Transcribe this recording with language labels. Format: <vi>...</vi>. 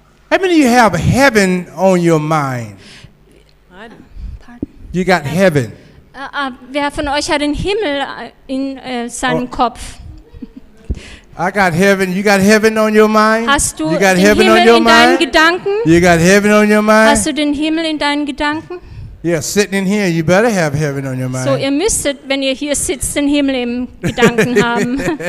<en>How many of you have heaven on your mind? Pardon? You got heaven.</en> <de>Wer von euch hat den Himmel in seinem Kopf?</de> <en>I got heaven. You got heaven on your mind?</en> <de>Hast du</de> <en>you got</en> <de>den</de> <en>heaven</en> <de>Himmel</de> <en>on your</en> <de>in</de> <en>mind?</en> <de>Deinen Gedanken?</de> <en>You got heaven on your mind?</en> <de>Hast du den Himmel in deinen Gedanken?</de> <en>Yeah, sitting in here, you better have heaven on your mind.</en> <de>So ihr müsstet, wenn ihr hier sitzt, den Himmel im Gedanken haben.</de>